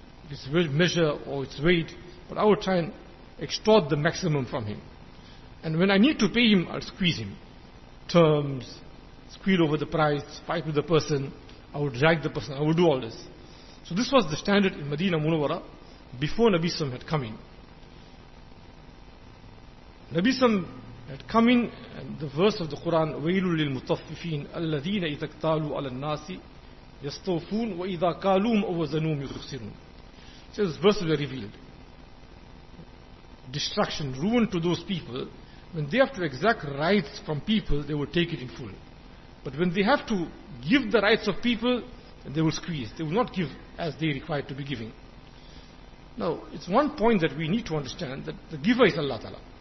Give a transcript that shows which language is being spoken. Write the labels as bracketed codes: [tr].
[en] It's measure or its weight, but I will try and extort the maximum from him. And when I need to pay him, I'll squeeze him. Terms, squeal over the price, fight with the person, I will drag the person, I will do all this. So this was the standard in Medina Munawara before Nabi Sallam had come in. [ar] Nabi Sallam had come in, and the verse of the Quran, وَيْلُ لِلْمُطَفِّفِينَ الَّذِينَ إِذَا اكْتَالُوا عَلَى النَّاسِ يَسْتَوْفُونَ وَإِذَا كَالُوهُمْ أَوْ وَزَنُوهُمْ يُخْسِرُونَ. [en] So this verse was revealed. Destruction, ruin to those people. When they have to exact rights from people, they will take it in full. But when they have to give the rights of people, they will squeeze. They will not give as they require to be giving. Now, it's one point that we need to understand, that the giver is Allah Ta'ala.